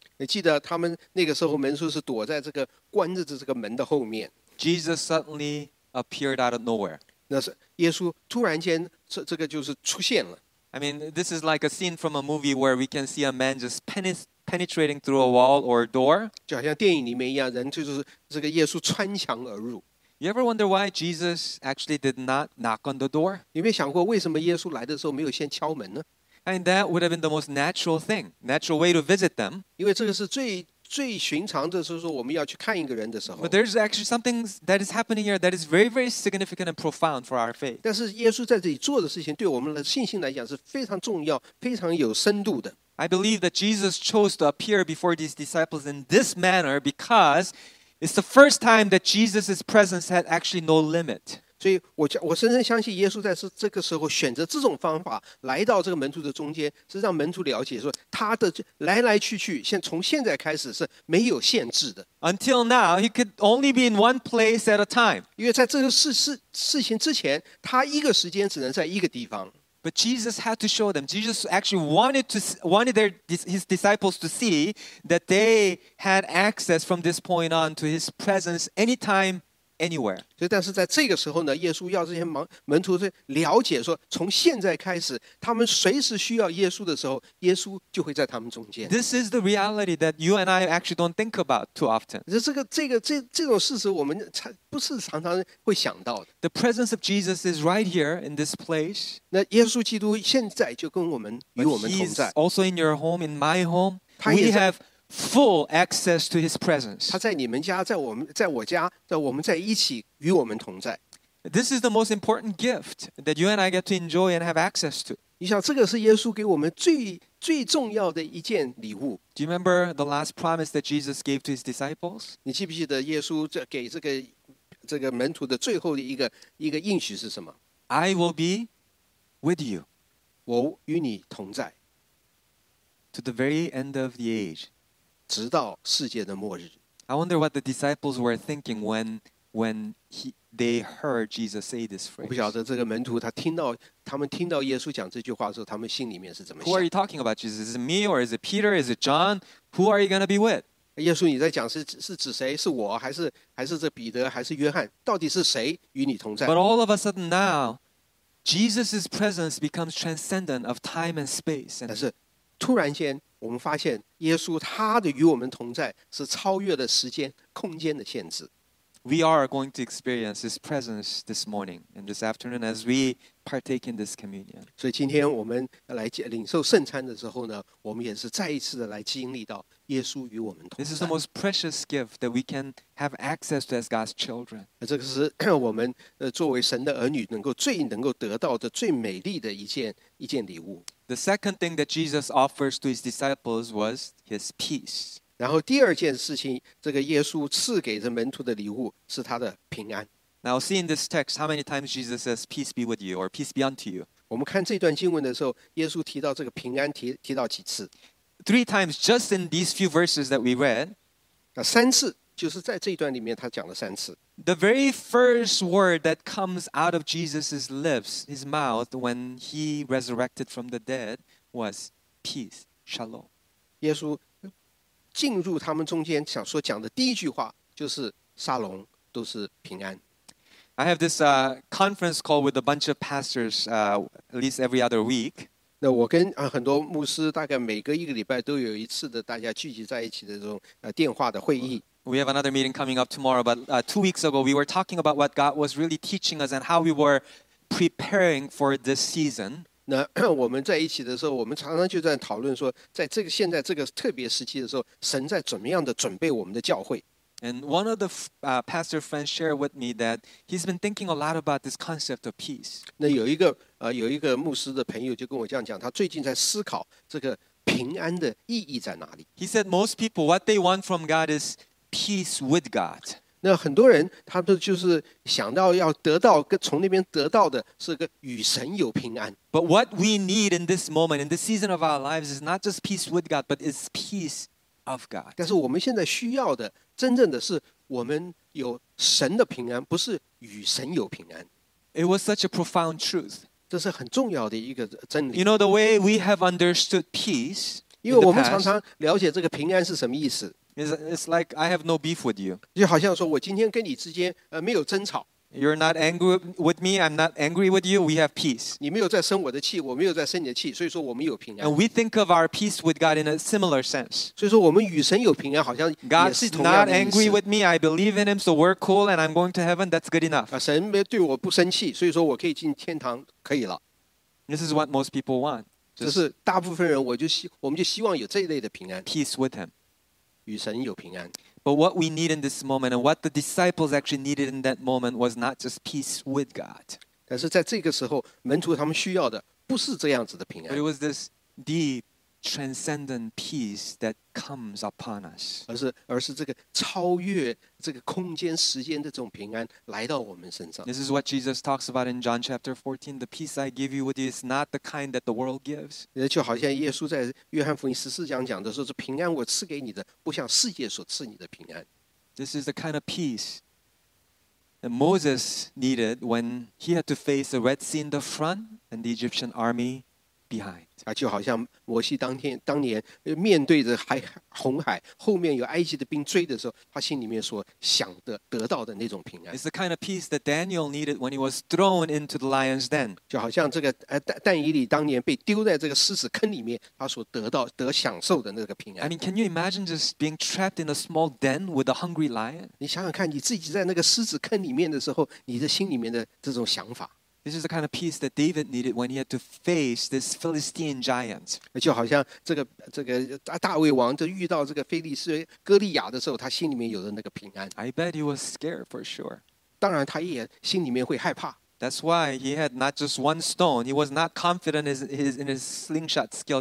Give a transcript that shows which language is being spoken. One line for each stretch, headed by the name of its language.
Chinese: 你记得他们那个时候门徒是躲在这个关着的这个门的后面。
English: Jesus suddenly appeared out of nowhere.
Chinese: 那是耶稣突然间这个就是出现了。
English: I mean, this is like a scene from a movie where we can see a man just penetrating through a wall or a door.
Chinese: 就好像电影里面一样，人就是这个耶稣穿墙而入。
English: You ever wonder why Jesus actually did not knock on the door?
Chinese: 你有没有想过为什么耶稣来的时候没有先敲门呢？
English: And that would have been the most natural thing, natural way to visit them.
Chinese: 因为这个是最寻常的，就是说我们要去看一个人的时候。
English: But there's actually something that is happening here that is very, very significant and profound for our faith.
Chinese: 但是耶稣在这里做的事情，对我们的信心来讲是非常重要，非常有深度的。
English: I believe that Jesus chose to appear before these disciples in this manner because it's the first time that Jesus' presence had actually no limit.
Chinese: 所以我深深相信耶稣在这个时候选择这种方法来到这个门徒的中间，是让门徒了解说他的来来去去从现在开始是没有限制的。
English: Until now, he could only be in one place at a time.
Chinese: 因为在这个事情之前，他一个时间只能在一个地方。
English: But Jesus had to show them. Jesus actually wanted his disciples to see that they had access from this point on to his presence anytime, anywhere.
Chinese: 所以，但是在这个时候呢，耶稣要这些门徒是了解说，从现在开始，他们随时需要耶稣的时候，耶稣就会在他们中间。
English: This is the reality that you and I actually don't think about too often.
Chinese: 这种事实，我们不是常常会想到的。
English: The presence of Jesus is right here in this place.
Chinese: 那耶稣基督现在就跟我们与我们同在。
English: He's also in your home, in my home. We have full access to His presence.
Chinese: 他在你们家，在我家，我们在一起，与我们同在。
English: This is the most important gift that you and I get to enjoy and have access to.
Chinese: 你想这个是耶稣给我们最最重要的一件礼物。
English: Do you remember the last promise that Jesus gave to his disciples?
Chinese: 你记不记得耶稣这给这个门徒的最后的一个应许是什么
English: ？I will be with you.
Chinese: 我与你同在。
English: To the very end of the age.
Chinese: 直到世界的末日。
English: I wonder what the disciples were thinking when they heard Jesus say this phrase.
Chinese: 我不晓得这个门徒他们听到耶稣讲这句话的时候，他们心里面是怎么想
English: ？Who are you talking about, Jesus? Is it me or is it Peter? Is it John? Who are you going to be with?
Chinese: 耶稣，你在讲是指谁？是我还是这彼得还是约翰？到底是谁与你同在
English: ？But all of a sudden now, Jesus's presence becomes transcendent of time and space.
Chinese: 但是突然间，我们发现耶稣他的与我们同在是超越了时间空间的限制。
English: We are going to experience His presence this morning and this afternoon as we partake in this communion.
Chinese: 所以今天我们来领受圣餐的时候呢，我们也是再一次的来经历到耶稣与我们同在。
English: This is the most precious gift that we can have access to as God's children.
Chinese: 这个是我们作为神的儿女能够得到的最美丽的一件礼物。
English: The second thing that Jesus offers to His disciples was His peace.
Chinese: 然后第二件事情，这个耶稣赐给这门徒的礼物是他的平安。
English: Now see in this text how many times Jesus says "Peace be with you" or "Peace be unto you."
Chinese: 我们看这段经文的时候，耶稣提到这个平安提到几次
English: ？Three times, just in these few verses that we read.
Chinese: 那三次，就是在这一段里面，他讲了三次。
English: The very first word that comes out of Jesus's lips, his mouth, when he resurrected from the dead, was "Peace, Shalom."
Chinese: 耶稣进入他们中间想说讲的第一句话就是沙龙都是平安
English: I have this conference call with a bunch of pastors at least every other week
Chinese: 那我跟很多牧师大概每隔一个礼拜都有一次的大家聚集在一起的这种电话的会议
English: We have another meeting coming up tomorrow but two weeks ago we were talking about what God was really teaching us and how we were preparing for this season
Chinese: 那我们在一起的时候我们常常就在讨论说在这个现在这个特别时期的时候神在怎么样的准备我们的教会
English: And one of the pastor friends shared with me that he's been thinking a lot about this concept of peace
Chinese: 那有一个牧师的朋友就跟我这样讲他最近在思考这个平安的意义在哪里
English: He said most people what they want from God is peace with God
Chinese: 那很多人他们就是想到要得到从那边得到的是个与神有平安
English: But what we need in this moment, in this season of our lives, is not just peace with God, but it's peace of God.
Chinese: 但是我们现在需要的，真正的是我们有神的平安，不是与神有平安。
English: It was such a profound truth.
Chinese: 这是很重要的一个真理。
English: You know, the way we have understood peace in the past,
Chinese: 因为我们常常了解这个平安是什么意思。
English: It's like I have no beef with you.
Chinese: 就好像说我今天跟你之间没有争吵。
English: You're not angry with me, I'm not angry with you, we have peace.
Chinese: 你没有在生我的气，我没有在生你的气，所以说我们有平安。
English: And we think of our peace with God in a similar sense.
Chinese: 所以说我们与神有平安，好像也是同样的意思。
English: God's not angry with me, I believe in him, so we're cool and I'm going to heaven, that's good enough.
Chinese: 神对我不生气，所以说我可以进天堂，可以了。
English: This is what most people want.
Chinese: 这是大部分人我们就希望有这一类的平安。
English: Peace with him.
Chinese: 与神有平安。
English: But what we need in this moment, and what the disciples actually needed in that moment, was not just peace with God.
Chinese: 但是在这个时候，门徒他们需要的不是这样子的平安。
English: But it was this deep, transcendent peace that comes upon us.
Chinese: 而是这个超越这个空间、时间的这种平安来到我们身上。
English: This is what Jesus talks about in John chapter 14. The peace I give you with you is not the kind that the world gives.
Chinese: 就好像耶稣在约翰福音十四章讲的说，这平安我赐给你的，不像世界所赐你的平安。
English: This is the kind of peace that Moses needed when he had to face the Red Sea in the front and the Egyptian army behind.
Chinese: 就好像摩西当年面对着红海后面有埃及的兵追的时候他心里面所想的得到的那种平安
English: It's the kind of peace that Daniel needed when he was thrown into the lion's den
Chinese: 就好像这个但以理当年被丢在这个狮子坑里面他所得享受的那个平安
English: I mean, can you imagine just being trapped in a small den with a hungry lion?
Chinese: 你想想看你自己在那个狮子坑里面的时候你的心里面的这种想法
English: This is the kind of peace that David needed when he had to face this Philistine giant.
Chinese: 就好像这个大卫王就遇到这个非利士哥利亚的时候，他心里面有的那个平安。
English: I bet he was scared for sure.
Chinese: 当然，他也心里面会害怕。
English: That's why he had not just one stone. He was not confident in his slingshot skill.